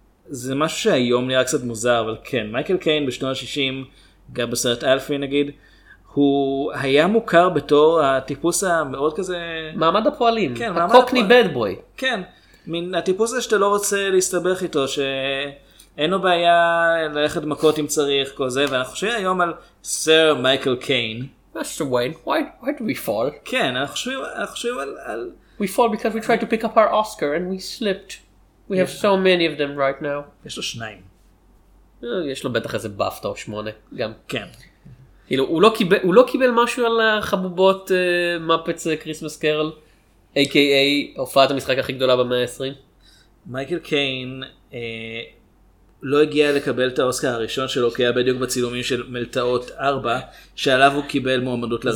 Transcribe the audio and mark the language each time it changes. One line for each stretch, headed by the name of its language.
Hebrew: זה משהו שהיום נראה קצת מוזר, אבל כן, מייקל קיין בשנות ה-60, גם בסרט אלפי נגיד, הוא היה מוכר בתור הטיפוס המאוד כזה... מעמד הפועלים, כן, הקוקני בד בוי. כן, מין הטיפוס הזה שאתה לא רוצה להסתבך איתו, שאין לו בעיה ללכת מכות אם צריך, כל זה, ואנחנו חושבים היום על סר מייקל קיין. מסטר ויין,
English: why do we fall?
Hebrew: כן, אנחנו חושבים על...
English: We fall because we tried to pick up our Oscar and we slipped. We have so many of them right now.
Hebrew: יש לו שניים. יש לו בטח איזה בפטה או שמונה גם. כן. כאילו, הוא לא קיבל משהו על החבובות מפץ קריסמס קרל, a.k.a. הופעת המשחק הכי גדולה במאה ה-20? מייקל קיין לא הגיע לקבל את האוסקר הראשון שלו, כי היה בדיוק בצילומים של מלטעות 4, שעליו הוא קיבל מועמדות לרצה.